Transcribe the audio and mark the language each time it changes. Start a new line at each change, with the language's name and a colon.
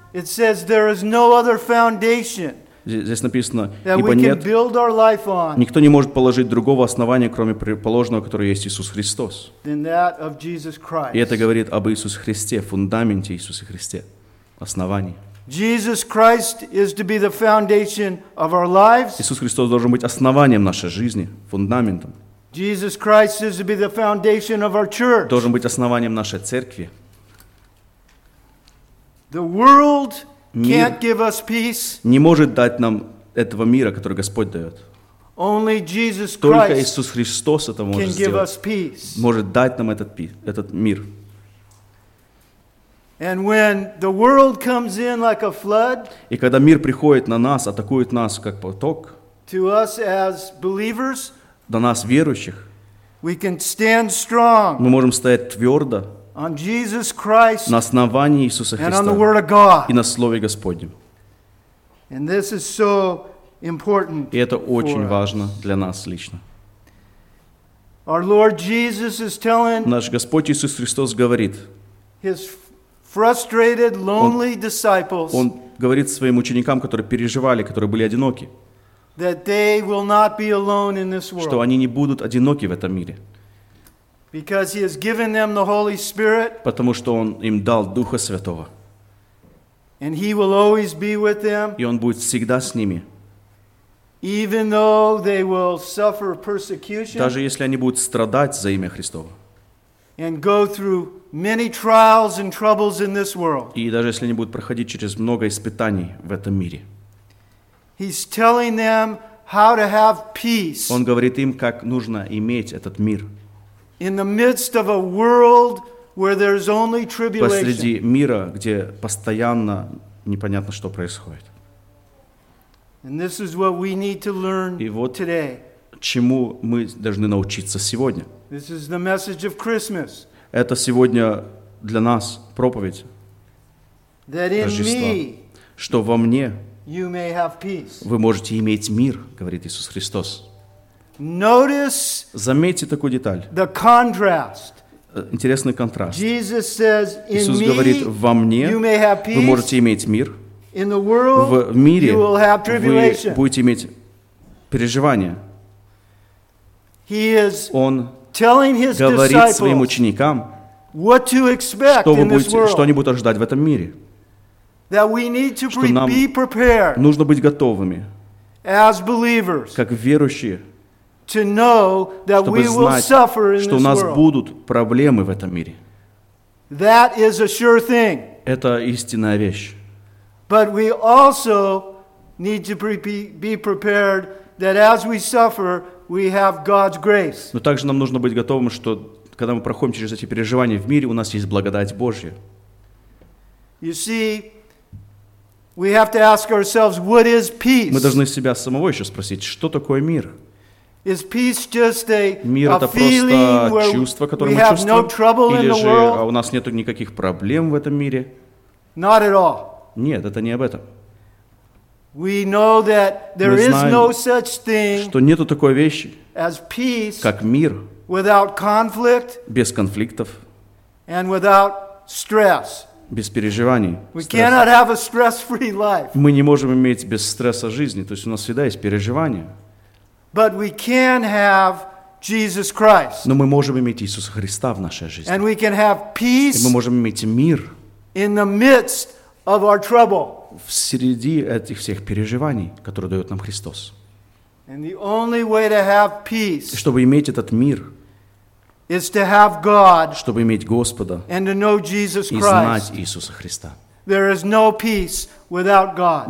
English: it says, there is no other foundation
Russian: здесь написано,
English: that
Russian: ибо
English: we can
Russian: нет,
English: build our life on,
Russian: никто не может положить другого основания, кроме положенного, которое есть Иисус Христос.
English: Than that of Jesus Christ.
Russian: И это говорит об Иисусе Христе, фундаменте Иисуса Христе, основании.
English: Jesus Christ is to be the foundation of our lives.
Russian: Иисус Христос должен быть основанием нашей жизни, фундаментом.
English: Jesus Christ is to be the foundation of our church.
Russian: Должен быть основанием нашей церкви.
English: The world can't give us peace.
Russian: Не может дать нам этого мира, который Господь дает.
English: Only Jesus Christ.
Russian: Только Иисус Христос это может сделать.
English: Can give us peace.
Russian: Может дать нам этот мир.
English: And when the world comes in like a flood,
Russian: и когда мир приходит на нас, атакует нас как поток,
English: to us as believers,
Russian: до нас верующих,
English: we can stand strong,
Russian: мы можем стоять твердо,
English: on Jesus Christ,
Russian: на основании Иисуса Христа,
English: and on the word of God,
Russian: и на Слове Господнем.
English: And this is so important,
Russian: и это очень важно для нас лично.
English: Our Lord Jesus is telling,
Russian: наш Господь Иисус Христос говорит,
English: his frustrated, lonely disciples.
Russian: Он говорит своим ученикам, которые переживали, которые были одиноки,
English: that they will not be alone in this world.
Russian: Что они не будут одиноки в этом мире.
English: Because he has given them the Holy Spirit.
Russian: Потому что он им дал Духа Святого.
English: And he will always be with them.
Russian: И он будет всегда с ними.
English: Even though they will suffer persecution.
Russian: Даже если они будут страдать за имя Христово.
English: And go through many trials and troubles in this world.
Russian: И даже если они будут проходить через много испытаний в этом мире.
English: He's telling them how to have peace.
Russian: Он говорит им, как нужно иметь этот мир.
English: In the midst of a world where there's only tribulation.
Russian: Посреди мира, где постоянно непонятно, что происходит.
English: And this is what we need to learn today.
Russian: И вот чему мы должны научиться сегодня.
English: This is the message of Christmas.
Russian: Это сегодня для нас проповедь Рождества, что во мне вы можете иметь мир, говорит Иисус Христос.
English: Notice,
Russian: заметьте такую деталь.
English: The contrast.
Russian: Интересный контраст.
English: Jesus says, in
Russian: Иисус говорит, во мне
English: you may have peace.
Russian: Вы можете иметь мир.
English: In the world,
Russian: в мире
English: you will have tribulation.
Russian: Вы будете иметь переживания.
English: He is
Russian: Он
English: telling his
Russian: говорит своим ученикам,
English: what to expect
Russian: что,
English: in
Russian: будете,
English: this world.
Russian: Что они будут ожидать в этом мире.
English: That we need to
Russian: что нам
English: be prepared,
Russian: нужно быть готовыми
English: as believers,
Russian: как верующие,
English: to know that
Russian: чтобы
English: we
Russian: знать,
English: will suffer in
Russian: что у нас будут проблемы в этом мире.
English: That is a sure thing.
Russian: Это истинная вещь.
English: But we also need to be prepared that as we suffer, we have God's grace.
Russian: Но также нам нужно быть готовым, что когда мы проходим через эти переживания в мире, у нас есть благодать Божья.
English: You see, we have to ask ourselves, what is peace?
Russian: Мы должны себя самого еще спросить, что такое мир?
English: Is peace just a
Russian: мир это просто чувство, которое мы чувствуем?
English: No trouble
Russian: или
English: in
Russian: же
English: the world?
Russian: У нас нет никаких проблем в этом мире?
English: Not at all.
Russian: Нет, это не об этом.
English: We know that there
Russian: Мы знаем,
English: is no such thing
Russian: что нету такой вещи,
English: as peace,
Russian: как мир,
English: without conflict,
Russian: без конфликтов,
English: and without stress.
Russian: Без переживаний.
English: We cannot have a stress-free life.
Russian: Мы не можем иметь без стресса жизни, то есть у нас всегда есть переживания.
English: But we can have Jesus Christ.
Russian: Но мы можем иметь Иисуса Христа в нашей жизни.
English: And we can have peace,
Russian: и мы можем иметь мир,
English: in the midst of our trouble.
Russian: В среди этих всех переживаний, которые дает нам Христос.
English: And the only way to have peace,
Russian: чтобы иметь этот мир,
English: is to have God,
Russian: чтобы иметь Господа,
English: and to know Jesus Christ.
Russian: И знать Иисуса Христа.
English: There is no peace without God.